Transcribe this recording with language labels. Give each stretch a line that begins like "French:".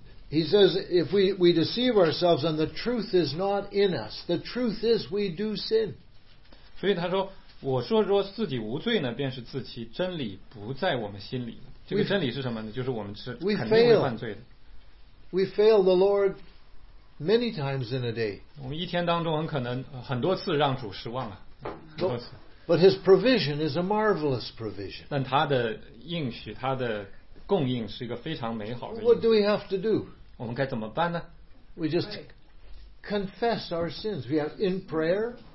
English: He says if we deceive ourselves and the truth is not in us, the truth is we do sin.
Chinese: 所以他说，我说若自己无罪呢，便是自欺，真理不在我们心里。这个真理是什么呢？就是我们是肯定会犯罪的。
English: We fail the Lord many times in a day.
Chinese: 我们一天当中很可能很多次让主失望了，很多次。
English: But His provision is a marvelous provision.
Chinese: 但他的应许，他的供应是一个非常美好的。
English: What do we have to do?
Chinese: 我们该怎么办呢
English: ？We just confess our sins. We have in prayer.